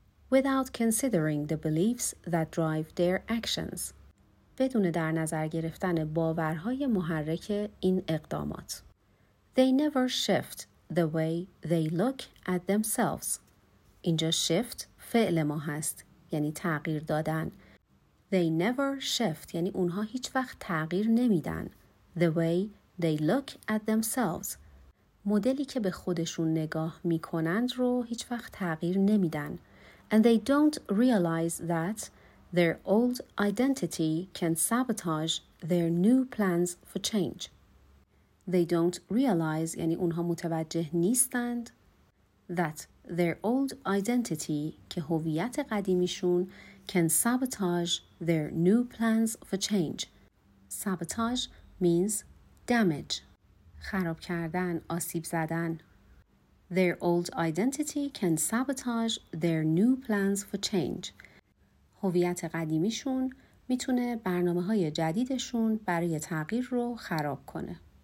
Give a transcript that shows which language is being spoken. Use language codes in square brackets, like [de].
[en] Without considering the beliefs that drive their actions. [fa] بدون در نظر گرفتن باورهای محرک این اقدامات. [en] They never shift the way they look at themselves. [fa] اینجا shift فعل ما هست، یعنی تغییر دادن. [en] They never shift [fa] یعنی اونها هیچ وقت تغییر نمیدن. [en] The way they look at themselves. [fa] مدلی که به خودشون نگاه میکنند رو هیچ وقت تغییر نمیدن. [en] And they don't realize that their old identity can sabotage their new plans for change. They don't realize [fa] یعنی اونها متوجه نیستند [en] that their old identity [fa] که هویت قدیمیشون [en] can sabotage their new plans for change. Sabotage means damage. [fa] خراب کردن، آسیب زدن. [en] Their old identity can sabotage their new plans for change. [fa] هویت قدیمیشون میتونه برنامه‌های جدیدشون برای تغییر رو خراب کنه.